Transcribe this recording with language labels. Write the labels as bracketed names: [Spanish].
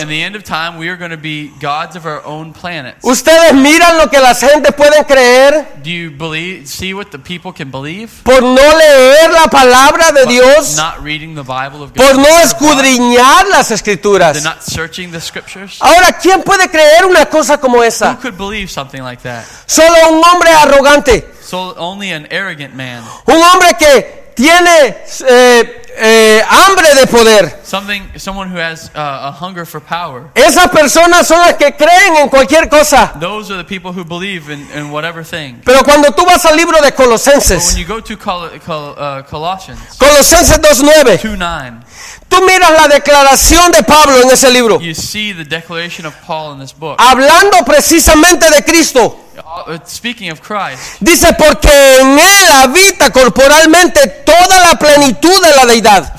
[English] In the end of time, we are going to be gods of our own planets. [Spanish] Ustedes miran lo que la gente puede creer. [English] Do you believe, see what the people can believe? [Spanish] Por no leer la palabra de Dios. [English] Not reading the Bible of God. [Spanish] Por no escudriñar las escrituras. [English] They're not searching the scriptures. [Spanish] Ahora, ¿quién puede creer una cosa como esa? [English] Who could believe something like that? [Spanish] Solo un hombre arrogante. [English] So only an arrogant man. [Spanish] Un hombre que tiene hambre de poder. [English] Someone who has a hunger for power. [Spanish] Esas personas son las que creen en cualquier cosa. [English] Those are the people who believe in whatever thing. [Spanish] Pero cuando tú vas al libro de Colosenses, [English] when you go to Colossians, [Spanish] Colosenses 2:9, tú miras la declaración de Pablo en ese libro. [English] You see the declaration of Paul in this book. [Spanish] Hablando precisamente de Cristo. [English] Speaking of Christ, [Spanish] dice porque en él habita corporalmente toda la plenitud de la deidad.